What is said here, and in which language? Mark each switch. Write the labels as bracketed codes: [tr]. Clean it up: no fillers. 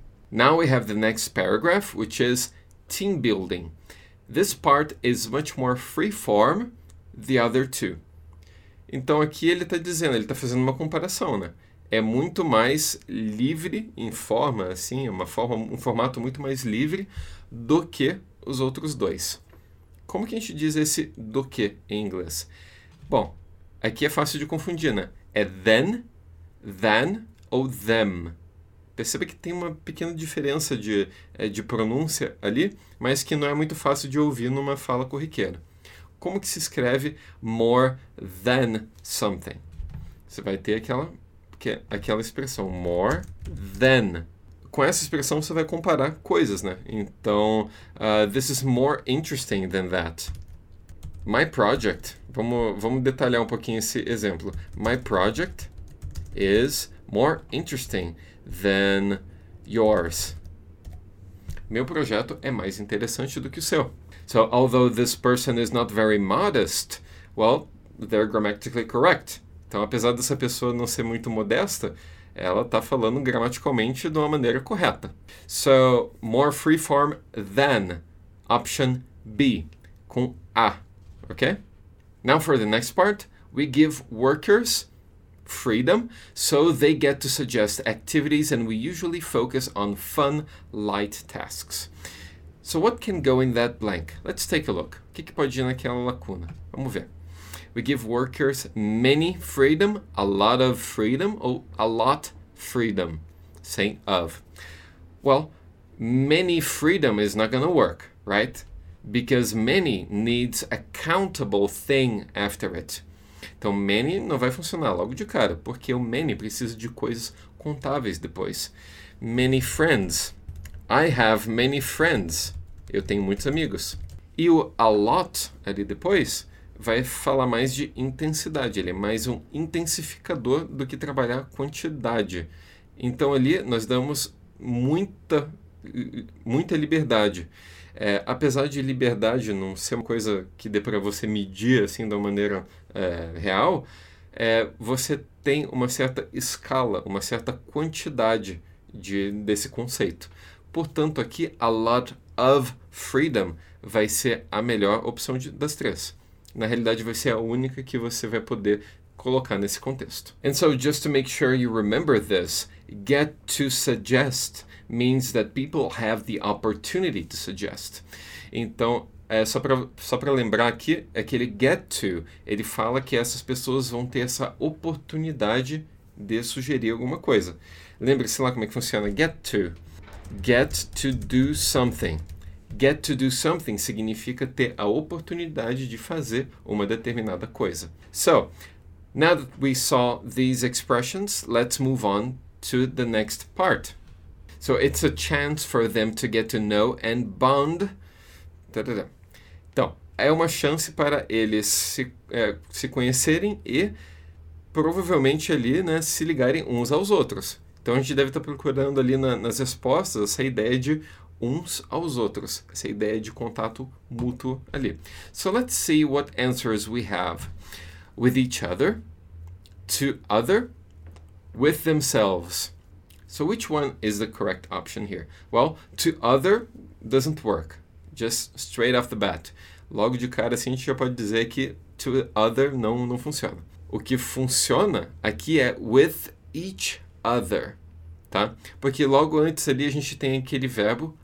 [en] Now we have the next paragraph, which is team building. This part is much more freeform than the other two. [pt] Então aqui ele está dizendo, ele está fazendo uma comparação, né? É muito mais livre em forma, assim, uma forma, um formato muito mais livre do que os outros dois. Como que a gente diz esse do que em inglês? Bom, aqui é fácil de confundir, né? É than ou them. Perceba que tem uma pequena diferença de pronúncia ali, mas que não é muito fácil de ouvir numa fala corriqueira. Como que se escreve more than something? Você vai ter aquela expressão, more than. Com essa expressão você vai comparar coisas, né? Então, [en] this is more interesting than that. My project, [pt] vamos detalhar um pouquinho esse exemplo. [en] My project is more interesting than yours. [pt] Meu projeto é mais interessante do que o seu. [en] So, although this person is not very modest, well, they're grammatically correct. [pt] Então, apesar dessa pessoa não ser muito modesta, ela está falando gramaticalmente de uma maneira correta. [en] So, more freeform than option B, com A, ok? Now, for the next part, we give workers freedom so they get to suggest activities and we usually focus on fun, light tasks. So what can go in that blank? Let's take a look. [pt] O que pode ir naquela lacuna? Vamos ver. [en] We give workers many freedom, a lot of freedom, ou a lot freedom, sem of. Well, many freedom is not going to work, right? Because many needs a countable thing after it. [pt] Então, many não vai funcionar logo de cara, porque o many precisa de coisas contáveis depois. [en] Many friends. I have many friends. [pt] Eu tenho muitos amigos. E o a lot ali depois vai falar mais de intensidade. Ele é mais um intensificador do que trabalhar quantidade. Então ali nós damos muita muita liberdade. Apesar de liberdade não ser uma coisa que dê para você medir assim da maneira real, você tem uma certa escala, uma certa quantidade desse conceito. Portanto, aqui a lot of freedom vai ser a melhor opção das três. Na realidade, vai ser a única que você vai poder colocar nesse contexto. [en] And so, just to make sure you remember this, get to suggest means that people have the opportunity to suggest. [pt] Então, só para lembrar aqui, aquele get to, ele fala que essas pessoas vão ter essa oportunidade de sugerir alguma coisa. Lembre-se lá como é que funciona get to. [en] Get to do something. [pt] Get to do something significa ter a oportunidade de fazer uma determinada coisa. [en] So, now that we saw these expressions, let's move on to the next part. So, it's a chance for them to get to know and bond. Tadadá. [pt] Então, é uma chance para eles se conhecerem e provavelmente ali, né, se ligarem uns aos outros. Então, a gente deve estar procurando ali nas respostas essa ideia de uns aos outros, essa ideia de contato mútuo ali. [en] So let's see what answers we have. With each other, to other, with themselves. So which one is the correct option here? Well, to other doesn't work, just straight off the bat. [pt] Logo de cara, assim, a gente já pode dizer que to other não funciona. O que funciona aqui é with each other, tá? Porque logo antes ali a gente tem aquele verbo.